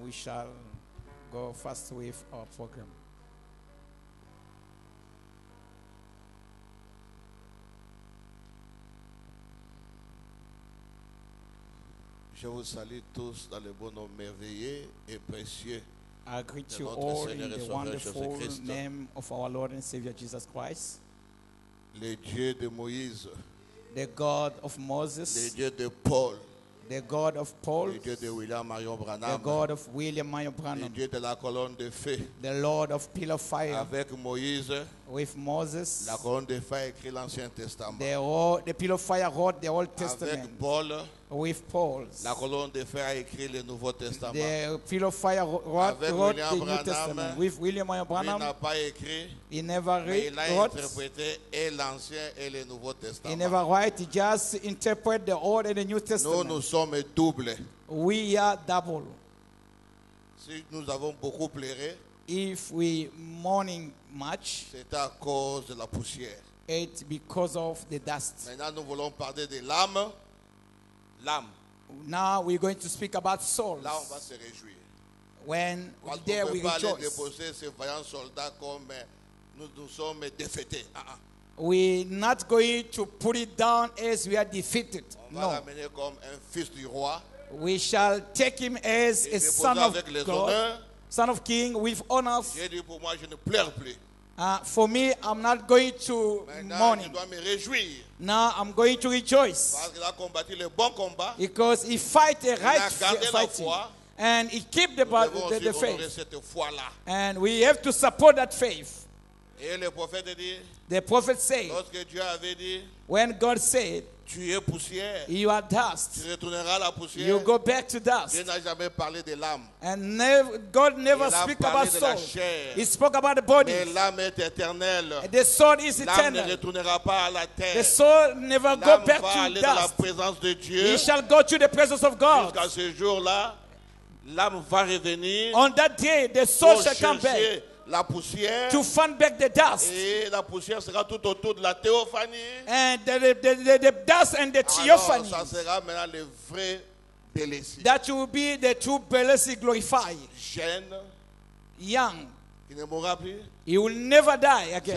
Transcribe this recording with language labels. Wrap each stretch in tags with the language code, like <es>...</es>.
<en>We shall go fast with our program.</en> <fr>Je vous salue tous dans le bon nom merveilleux et précieux.</fr> <en>I greet you all in the wonderful name of our Lord and Savior Jesus Christ.</en> <fr>Le Dieu de Moïse.</fr> <en>The God of Moses.</en> <fr>Le Dieu de Paul.</fr> <en>The God of Paul.</en> <fr>Le Dieu de William Marion Branham.</fr> <en>The God of William Marion Branham.</en> <fr>Le Dieu de la colonne de feu.</fr> <en>The Lord of Pillar of Fire.</en> <fr>Avec Moïse.</fr> <en>With Moses.</en> <fr>La colonne de feu écrit l'Ancien Testament.</fr> <en>The Pillar of Fire wrote the Old Testament.</en> <fr>Avec Paul.</fr> <en>With Paul.</en> <fr>La colonne de feu a écrit le Nouveau Testament.</fr> <en>The Pillar of Fire wrote the Branham, New Testament. With William Marion Branham.</en> <fr>Il n'a pas écrit.</fr> <en>He never</en> <fr>interprété et l'Ancien et le Nouveau Testament.</fr> <en>He never wrote. He just interpreted the Old and the New Testament.</en> <fr>Nous sommes doubles.</fr> <en>We are double.</en> <fr>Si nous avons beaucoup pleuré.</fr> <en>If we mourning much.</en> <fr>C'est à cause de la poussière.</fr> <en>It's because of the dust.</en> <fr>Maintenant nous voulons parler de l'âme. L'âme.</fr> <en>Now we're going to speak about souls.</en> <fr>Là, on va se réjouir.</fr> <en>When</en> <fr>quand</fr> <en>there we rejoice.</en> <fr>On ne peut pas aller déposer ces vaillants soldats comme nous sommes défaités.</fr> <en>We're not going to put it down as we are defeated.</en> <fr>On va l'amener comme un fils du roi.</fr> <en>We shall take him as</en> <fr>et</fr> <en>a son of</en> <fr>avec</fr> <en>God.</en> <fr>Les</fr> <en>son of king with honors.</en> <fr>J'ai dit pour moi, je ne pleure plus.</fr> <en>For me, I'm not going to mourn.</en> <fr>Je dois me réjouir.</fr> <en>Now I'm going to rejoice.</en> <fr>Parce qu'il a combattu le bon combat.</fr> <en>Because he fight a right fighting. And he keep the faith.</en> <fr>Cette foi-là.</fr> <en>And we have to support that faith.</en> <fr>Et le prophète dit,</fr> <en>the prophet said,</en> <fr>lorsque Dieu avait dit,</fr> <en>when God said,</en> <fr>Tu es poussière.</fr> <en>You are dust.</en> <fr>Tu retourneras la poussière.</fr> <en>You go back to dust.</en> <fr>Dieu n'a jamais parlé de l'âme.</fr> <en>And God never speak about soul. He spoke about the body.</en> <fr>Mais l'âme est éternelle.</fr> <en>And the soul is eternal.</en> <fr>L'âme ne retournera pas à la terre.</fr> <en>The soul never go back to dust.</en> <fr>L'âme va aller dans la présence de Dieu.</fr> <en>He shall go to the presence of God.</en> <fr>Jusqu'à ce jour-là, l'âme va revenir.</fr> <en>On that day, the soul shall come back.</en> <fr>La poussière,</fr> <en>to fan back the dust.</en> <fr>Et la poussière sera tout autour de la théophanie.</fr> <en>And the dust and the theophanie.</en> <fr>Ça sera maintenant le vrai Bélessie.</fr> <en>That will be the true Bélessie glorified.</en> <fr>Jeune,</fr> <en>young.</en> <fr>Il ne mourra plus.</fr> <en>He will never die again.</en>